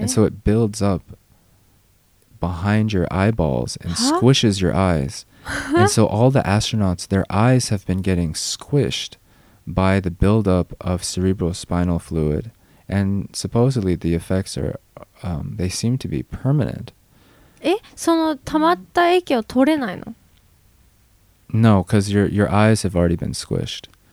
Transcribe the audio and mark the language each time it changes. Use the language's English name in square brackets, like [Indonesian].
[English] And so it builds up behind your eyeballs and squishes your eyes. And so all the astronauts, their eyes have been getting squished by the buildup of cerebrospinal fluid. And supposedly the effects are, they seem to be permanent. [Japanese] え? その溜まった液を取れないの? [English] No, because your eyes have already been squished.